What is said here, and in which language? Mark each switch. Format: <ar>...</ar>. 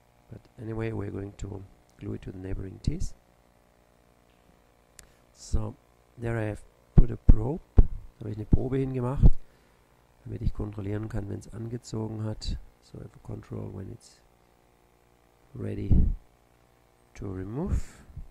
<en>But anyway, we're going to glue it to the neighboring teeth. So, there I have put a probe.</en> <de>Da habe ich eine Probe hingemacht, damit ich kontrollieren kann, wenn es angezogen hat.</de> <en>So, I have a control when it's ready to remove.</en>